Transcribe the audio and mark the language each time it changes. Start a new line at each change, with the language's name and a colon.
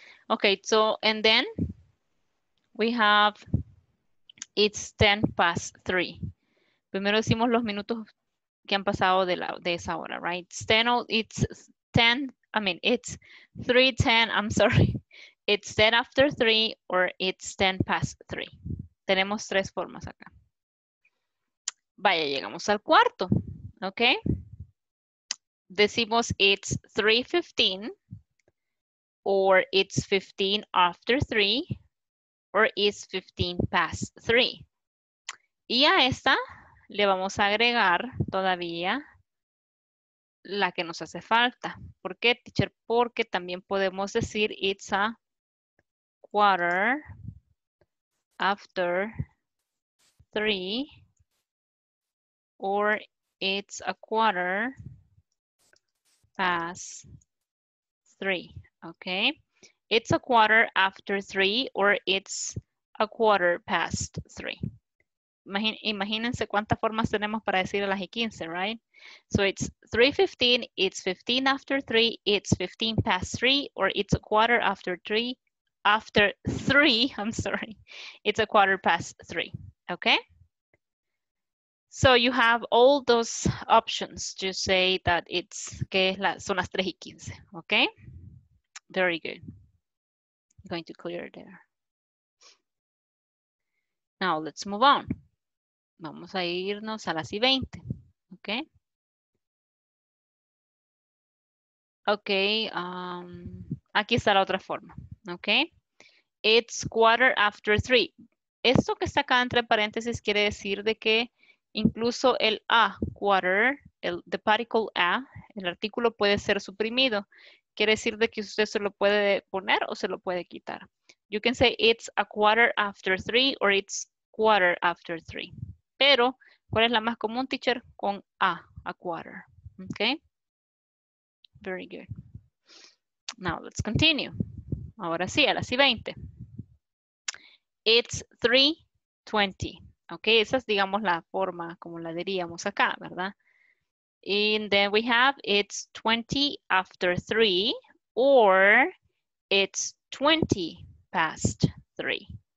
English: Okay, so, and then we have, it's 10 past 3.
Spanish: Primero decimos los minutos que han pasado de esa hora, right?
English: It's 3:10, I'm sorry. It's 10 after 3 or it's 10 past 3.
Spanish: Tenemos tres formas acá. Vaya, llegamos al cuarto, ¿ok?
English: Decimos it's 3:15 or it's 15 after 3 or it's 15 past 3.
Spanish: Y a esta le vamos a agregar todavía la que nos hace falta. ¿Por qué, teacher? Porque también podemos decir
English: it's a quarter after 3 or it's a quarter past 3. Okay. It's a quarter after three or it's a quarter past three.
Spanish: Imagínense cuántas formas tenemos para decir a las y 15, right?
English: So it's 3:15, it's 15 after 3, it's 15 past 3, or it's a quarter after 3, after 3, I'm sorry, it's a quarter past 3, okay? So you have all those options to say that it's,
Spanish: que es la, son las 3 y 15,
English: okay? Very good. I'm going to clear there. Now let's move on.
Spanish: Vamos a irnos a las y 20, okay? Okay, aquí está la otra forma, okay?
English: It's quarter after three.
Spanish: Esto que está acá entre paréntesis quiere decir de que incluso el a, quarter, el,
English: the particle a,
Spanish: el artículo puede ser suprimido. Quiere decir de que usted se lo puede poner o se lo puede quitar.
English: You can say it's a quarter after three or it's quarter after three.
Spanish: Pero, ¿cuál es la más común, teacher? Con a quarter, okay?
English: Very good. Now let's continue.
Spanish: Ahora sí, a las y 20.
English: It's 3:20.
Spanish: Okay, esa es, digamos, la forma como la diríamos acá, ¿verdad?
English: And then we have it's 20 after 3 or it's 20 past 3.